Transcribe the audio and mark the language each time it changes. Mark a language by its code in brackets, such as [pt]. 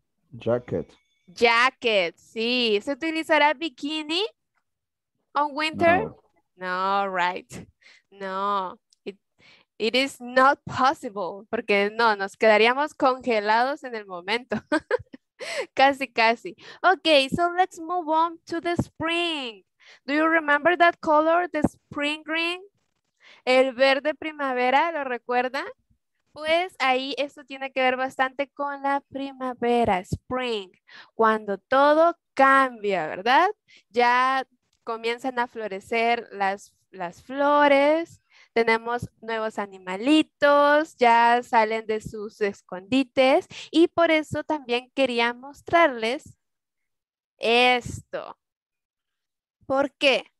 [en] Jacket. [es] Jacket, sí. ¿Se utilizará bikini? [en] On winter? No, right. It is not possible. [es] Porque no, nos quedaríamos congelados en el momento. Casi, casi. [en] Okay, so let's move on to the spring. Do you remember that color, the spring green? [es] El verde primavera, ¿lo recuerdan? Pues ahí esto tiene que ver bastante con la primavera, spring. Cuando todo cambia, ¿verdad? Ya comienzan a florecer las flores, tenemos nuevos animalitos, ya salen de sus escondites y por eso también quería mostrarles esto. ¿Por qué?